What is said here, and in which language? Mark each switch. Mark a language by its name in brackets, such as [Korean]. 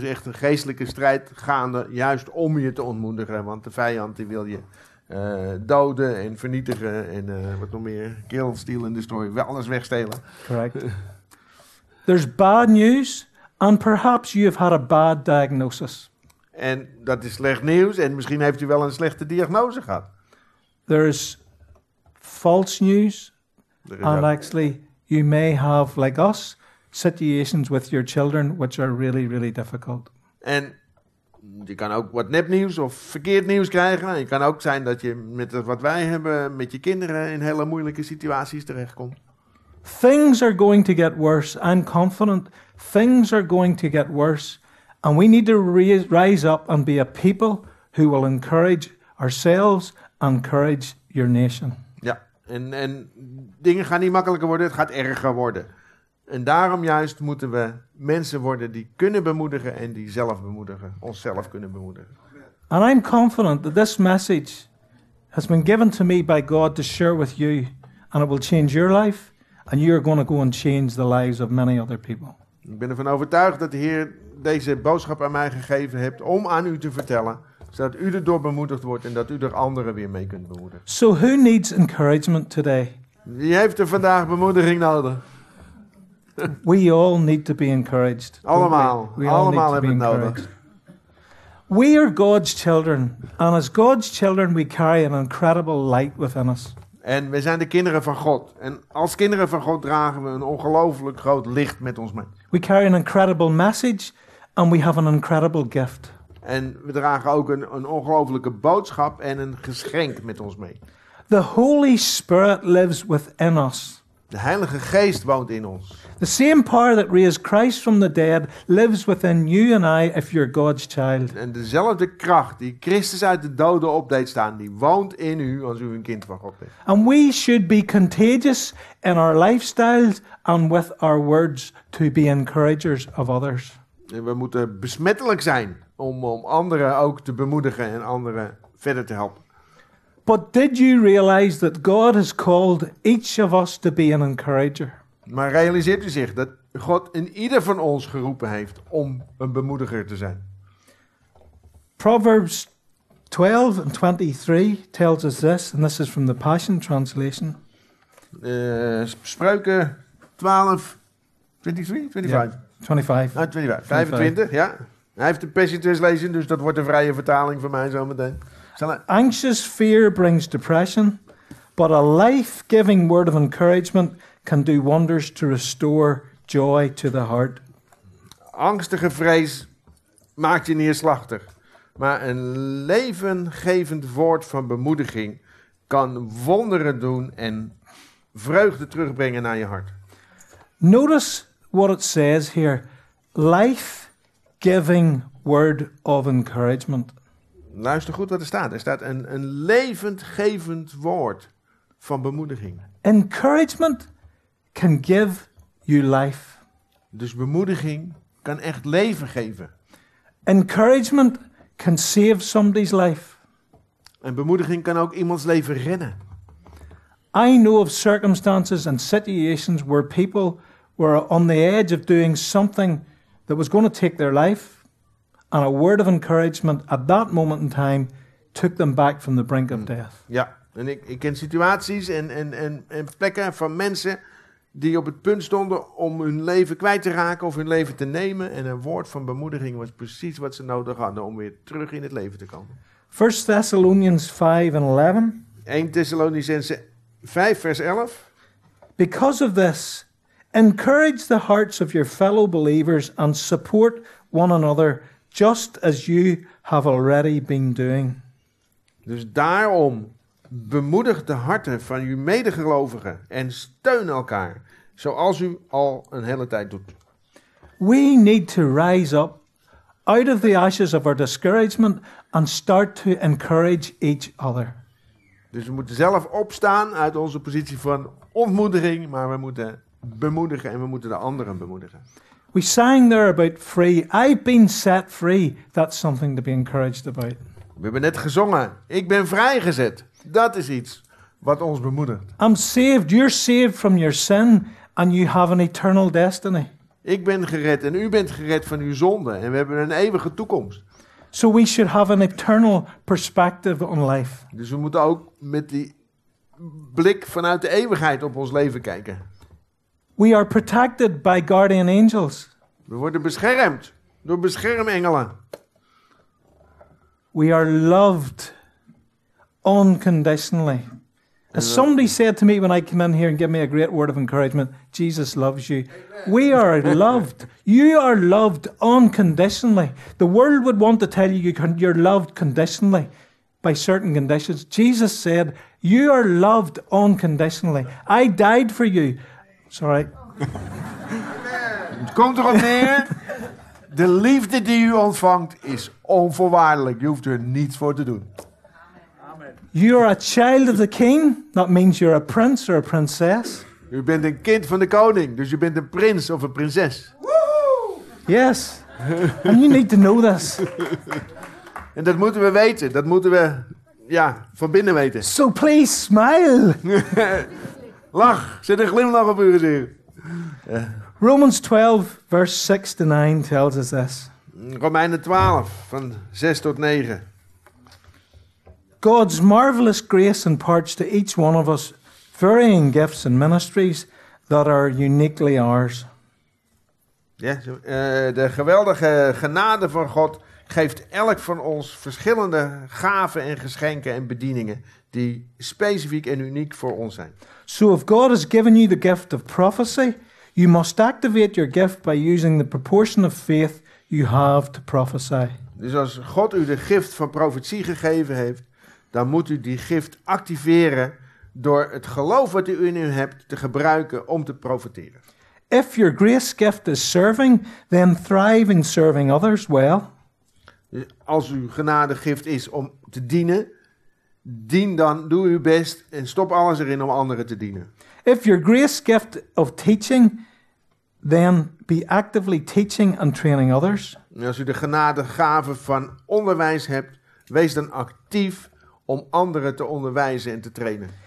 [Dutch] Er is echt een geestelijke strijd gaande juist om je te ontmoedigen. Want de vijand die wil je doden en vernietigen en wat nog meer, [English] kill, steal and destroy, [Dutch] alles wegstelen. Correct. [English] There's bad news and perhaps you've had a bad diagnosis. [Dutch] En dat is slecht nieuws en misschien heeft u wel een slechte diagnose gehad. [English] There's false news. And actually, you may have, like us, situations with your children which are really, really difficult. [Dutch] En je kan ook wat nepnieuws of verkeerd nieuws krijgen. Het kan ook zijn dat je met wat wij hebben, met je kinderen, in hele moeilijke situaties terechtkomt. [English] Things are going to get worse. I'm confident. Things are going to get worse. And we need to rise up and be a people who will encourage ourselves and encourage your nation. [Dutch] En dingen gaan niet makkelijker worden, het gaat erger worden. En daarom juist moeten we mensen worden die kunnen bemoedigen en die zelf bemoedigen, onszelf kunnen bemoedigen. [English] And I'm confident that this message has been given to me by God to share with you and it will change your life and you're going to go and change the lives of many other people. [Dutch] Ik ben ervan overtuigd dat de Heer deze boodschap aan mij gegeven heeft om aan u te vertellen, zodat u erdoor bemoedigd wordt en dat u er anderen weer mee kunt bemoedigen. [English] So who needs encouragement today? [Dutch] Wie heeft er vandaag bemoediging nodig? [English] We all need to be encouraged. [Dutch] Allemaal. [English] We all [Dutch] hebben het nodig. [English] We are God's children. And as God's children we carry an incredible light within us. [Dutch] En we zijn de kinderen van God. En als kinderen van God dragen we een ongelooflijk groot licht met ons mee. [English] We carry an incredible message and we have an incredible gift. [Dutch] En we dragen ook een ongelooflijke boodschap en een geschenk met ons mee. [English] The Holy Spirit lives within us. [Dutch] De Heilige Geest woont in ons. [English] The same power that raised Christ from the dead lives within you and I if you're God's child. [Dutch] En dezelfde kracht die Christus uit de doden op deed staan, die woont in u als u een kind van God bent. [English] And we should be contagious in our lifestyles and with our words to be encouragers of others. [Dutch] En we moeten besmettelijk zijn om anderen ook te bemoedigen en anderen verder te helpen. [English] But did you realize that God has called each of us to be an encourager? [Dutch] Maar realiseert u zich dat God in ieder van ons geroepen heeft om een bemoediger te zijn? [English] Proverbs 12 and 23 tells us this, and this is from the Passion Translation. [Dutch] Spreuken 12, 25? [English] Yeah, 25, ja. [Dutch] Hij heeft de Passion Translation, dus dat wordt een vrije vertaling van mij zometeen. [English] Anxious fear brings depression, but a life-giving word of encouragement can do wonders to restore joy to the heart. [Dutch] Angstige vrees maakt je neerslachtig, maar een levengevend woord van bemoediging kan wonderen doen en vreugde terugbrengen naar je hart. [English] Notice what it says here, life-giving word of encouragement. [Dutch] Luister goed wat er staat. Er staat een levendgevend woord van bemoediging. [English] Encouragement can give you life. [Dutch] Dus bemoediging kan echt leven geven. [English] Encouragement can save somebody's life. [Dutch] En bemoediging kan ook iemands leven redden. [English] I know of circumstances and situations where people were on the edge of doing something that was going to take their life. And a word of encouragement at that moment in time took them back from the brink of death. [Dutch] Ja, en ik ken situaties en plekken van mensen die op het punt stonden om hun leven kwijt te raken of hun leven te nemen. En een woord van bemoediging was precies wat ze nodig hadden om weer terug in het leven te komen. [English] 1 Thessalonians 5 and 11. [Dutch] 1 Thessalonians 5 vers 11. [English] Because of this, encourage the hearts of your fellow believers and support one another, just as you have already been doing. [Dutch] Dus daarom bemoedig de harten van uw medegelovigen en steun elkaar, zoals u al een hele tijd doet. [English] We need to rise up out of the ashes of our discouragement and start to encourage each other. [Dutch] Dus we moeten zelf opstaan uit onze positie van ontmoediging, maar we moeten bemoedigen en we moeten de anderen bemoedigen. [English] We sang there about free. I've been set free. That's something to be encouraged about. [Dutch] We hebben net gezongen. Ik ben vrijgezet. Dat is iets wat ons bemoedigt. [English] I'm saved. You're saved from your sin and you have an eternal destiny. [Dutch] Ik ben gered en u bent gered van uw zonde en we hebben een eeuwige toekomst. [English] So we should have an eternal perspective on life. [Dutch] Dus we moeten ook met die blik vanuit de eeuwigheid op ons leven kijken. [English] We are protected by guardian angels. [Dutch] We worden beschermd door beschermengelen. [English] We are loved unconditionally. As somebody said to me when I came in here and gave me a great word of encouragement, Jesus loves you. We are loved. You are loved unconditionally. The world would want to tell you you're loved conditionally by certain conditions. Jesus said, you are loved unconditionally. I died for you. Sorry. [Dutch] Het komt erop neer. De liefde die u ontvangt is onvoorwaardelijk. Je hoeft er niets voor te doen. [English] You are a child of the king. That means you're a prince or a princess. [Dutch] U bent een kind van de koning, dus u bent een prins of een prinses. [English] Woo! Yes. And you need to know this. [Dutch] En dat moeten we weten. Dat moeten we, ja, van binnen weten. [English] So please smile. [Dutch] Lach. Zet een glimlach op uw gezicht. [English] Romans 12, verse 6 to 9 tells us this. [Dutch] Romeinen 12, van 6 tot 9. [English] God's marvelous grace imparts to each one of us varying gifts and ministries that are uniquely ours. [Dutch] Ja, de geweldige genade van God geeft elk van ons verschillende gaven en geschenken en bedieningen die specifiek en uniek voor ons zijn. [English] So if God has given you the gift of prophecy, you must activate your gift by using the proportion of faith you have to prophesy. [Dutch] Dus als God u de gift van profetie gegeven heeft, dan moet u die gift activeren door het geloof wat u in u hebt te gebruiken om te profeteren. [English] If your grace gift is serving, then thrive in serving others well. [Dutch] Dus als uw genade gift is om te dienen, dien dan, doe uw best en stop alles erin om anderen te dienen. [English] If your grace gift of teaching, then be actively teaching and training others. [Dutch] En als u de genade gave van onderwijs hebt, wees dan actief om anderen te onderwijzen en te trainen.